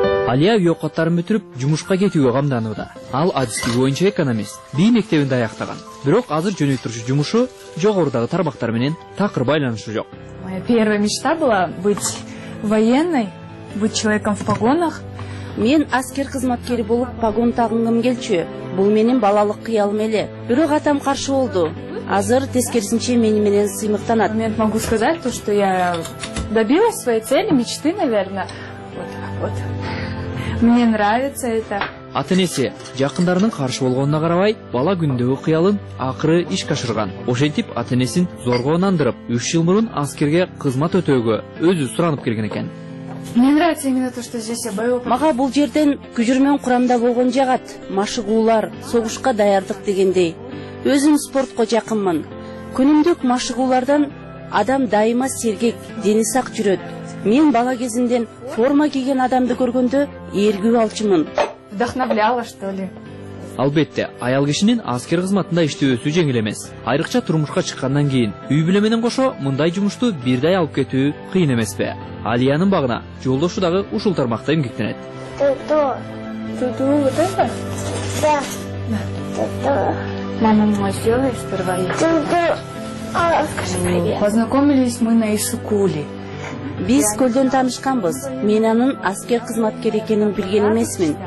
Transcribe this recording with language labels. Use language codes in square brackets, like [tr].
[ky] Алия үй оокаттарын бүтүрүп жумушка кетүүгө камданууда. Ал адистиги боюнча экономист, бий мектебин даяктаган. Бирок азыр жөнөй турушу жумушу жогорудагы тармактар менен такыр байланышы жок. [ru] Моя первая мечта была быть военной, быть человеком в погонах. [ky] Мен аскер кызматкери болуп погон тагынгым келчү. Бул менин балалык кыялым эле. Бирок атам каршы болду. Азыр тескерисинче мени менен сыймыктанат. [ru] Мен могу сказать, что я добилась своей цели, мечты, наверное. Вот так вот. Мне нравится это. [ky] Атынесе, жакындарынын каршы болгонуна карабай, бала күндөгү кыялын акыры ишке ашырган. Ошентип атынесин зорго ынандырып, 3 жыл мурун аскерге кызмат өтөөгө өзү суранып келген экен. [ru] Мне нравится именно то, что здесь я боевой. [ky] Мага бул жерден күжүрмөн курамда болгон жагат, машыгуулар, согушка даярдык дегендей. Өзүм спортко жакынмын. Күнүмдүк машыгуулардан адам дайыма сергек, дени сак жүрөт. Мен бала кезимден форма кийген адамды көргөндө эргүү алчумун. [ru] Вдохновляла, что ли? [ky] Албетте, аял кишинин аскер кызматында иштөөсү жеңил эмес. Айрыкча турмушка чыккандан кийин үй бүлө менен кошо мындай жумушту бирдей алып кетүү кыйын эмеспи? Алиянын багына жолдошу дагы ушул тармакта эмгектенет. [ru] Познакомились мы на Ишикуле. [ky] Биз көлдөн таанышканбыз. Мен анын аскер кызматкери экенин билген эмесмин.